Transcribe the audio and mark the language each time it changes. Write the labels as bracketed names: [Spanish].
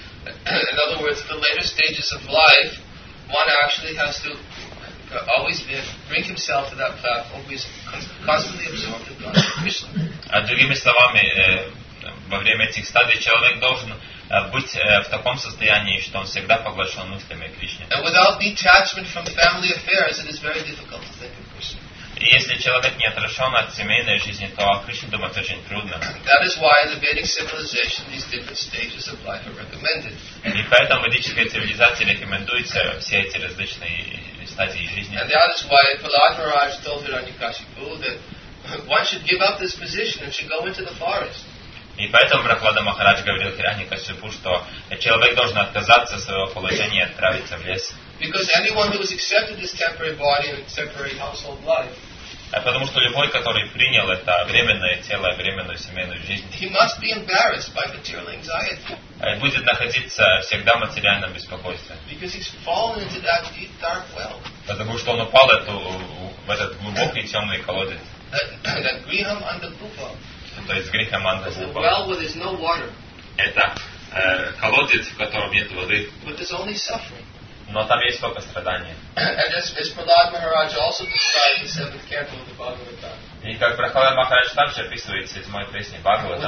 [English] In other words, the later stages of life, one actually has to always bring himself to that path, always constantly absorbed in God's Krishna. [Russian] Другими словами, во время этих стадий человек должен быть в таком состоянии, что он всегда поглощен мыслями Кришны. [English] And without detachment from family affairs, it is very difficult to think of Krishna. [Russian] И если человек не отрешен от семейной жизни, то о Кришне думать очень трудно. [English] That is why in the Vedic civilization these different stages of life are recommended. [Russian] И поэтому ведическая цивилизация рекомендуется все эти различные стадии жизни. [English] And that is why Pallad-Maharaj told Hiranyakashipu that one should give up this position and should go into the forest. [Russian] И поэтому Прахлада Махарадж говорил Хираньякасипу, что человек должен отказаться от своего положения и отправиться в лес. [English] Because anyone who has accepted this temporary body and temporary household life, [Russian] потому что любой, который принял это временное тело, временную семейную жизнь, [English] he must be embarrassed by material anxiety. [Russian] Будет находиться всегда в материальном беспокойстве. [English] Because he's fallen into that deep dark well. [Russian] Потому что он упал в этот глубокий темный колодец. [English] That Griham Andakupa. [Russian] То есть греха манда зуба. [English] Well, where there's no water. [Russian] Это колодец, в котором нет воды. [English] But there's only suffering. [Russian] Но там есть только страдания. [English] And as Prahlad Maharaj also described the seventh canto of the Bhagavad Gita. [Russian] И как Прахлад Махарадж также описывает седьмой песни Бхагавад Гита.